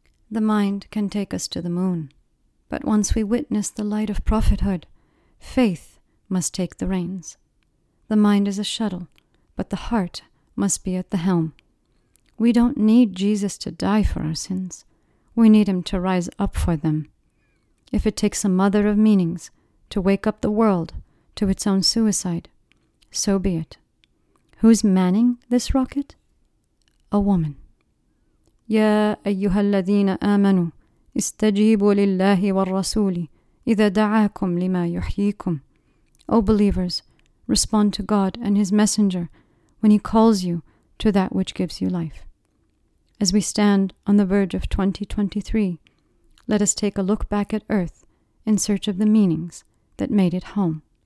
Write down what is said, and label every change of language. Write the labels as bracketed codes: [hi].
[en] The mind can take us to the moon, but once we witness the light of prophethood, faith must take the reins. The mind is a shuttle, but the heart must be at the helm. We don't need Jesus to die for our sins. We need him to rise up for them. If it takes a mother of meanings to wake up the world to its own suicide, so be it. Who's manning this rocket? A woman. [ar] يا أيها الذين آمنوا استجيبوا لله والرسول إذا دعاكم لما يحييكم. [en] O believers, respond to God and his messenger when he calls you to that which gives you life. As we stand on the verge of 2023, let us take a look back at Earth in search of the meanings that made it home.